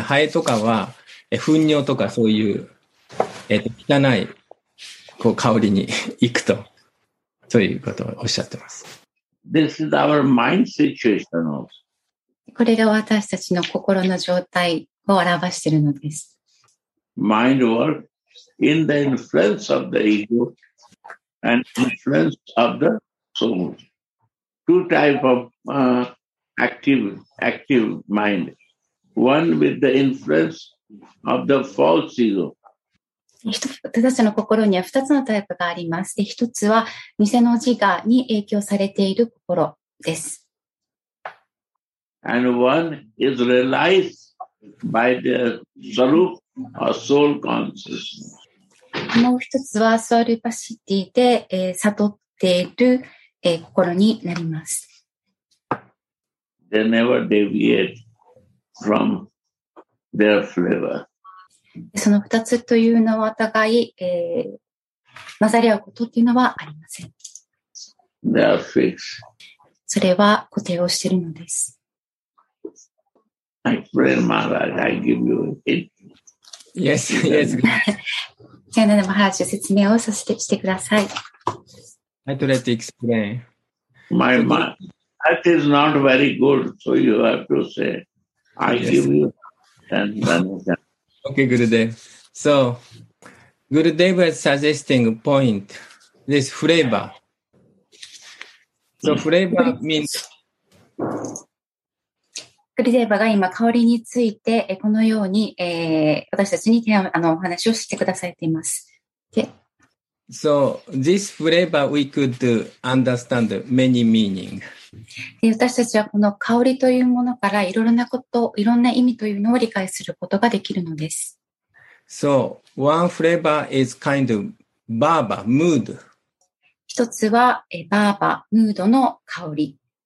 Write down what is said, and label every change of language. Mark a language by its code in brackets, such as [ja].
[ja] ハエとかは、糞尿とかそういう、汚い、こう、香りに行くと。ということをおっしゃってます。 [en] This is our mind situation. [ja] これが私たちの心の状態を表しているのです。 [en] Mind work in the influence of the ego and influence of the soul. Two types of active mind. One with the influence of the false ego. [ja] 私たちの心には2つのタイプがあります。で、1つは偽の自我に影響されている心です。 [en] And one is realized by the Swarupa or soul consciousness. [ja] もう一つはスワルパシティで、悟っている、心になります。 [en] They never deviate from their flavor. [ja] その二つというのはお互い、混ざり合うことというのはありません。 [en] They are fixed. [ja] それは固定をしているのです。 [en] I pray, Maharaj, I give you a hint. Yes, yes. [ja] じゃあ、マハラジュ説明をさせてしてください。 [en] I'd like to explain. My mind, that is not very good, so you have to say, I give you, and then. Okay, Gurudev. So, Gurudev was suggesting a point, this flavor. So, flavor means... [ja] グルデーバが今香りについてこのように、私たちにお話をしてくださっています。で、 [en] So this flavor we could understand many meanings. [ja] 私たちはこの香りというものからいろいろなこと、いろんな意味というのを理解することができるのです。 [en] So one flavor is kind of barba, mood. [ja] 一つはバーバ、ムードの香り。